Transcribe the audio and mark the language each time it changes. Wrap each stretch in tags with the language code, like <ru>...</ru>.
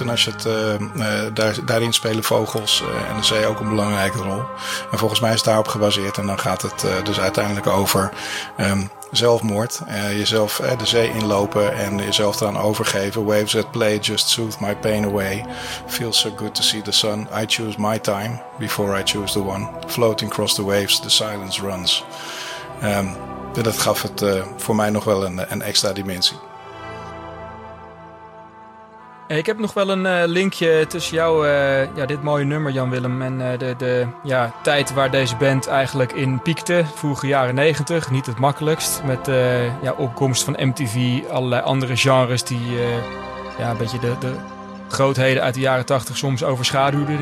<nl>En als je het daarin spelen vogels en de zee ook een belangrijke rol. En volgens mij is het daarop gebaseerd. En dan gaat het dus uiteindelijk over zelfmoord. Jezelf de zee inlopen en jezelf eraan overgeven.</nl> <en>Waves at play just soothe my pain away. Feels so good to see the sun. I choose my time before I choose the one. Floating across the waves, the silence runs.</en> <nl>Dat gaf het voor mij nog wel een extra dimensie. Ik heb nog wel een linkje tussen jou, dit mooie nummer, Jan-Willem, en de tijd waar deze band eigenlijk in piekte, vroege jaren 90, niet het makkelijkst, met de opkomst van MTV, allerlei andere genres die een beetje de grootheden uit de jaren 80 soms overschaduwden.</nl>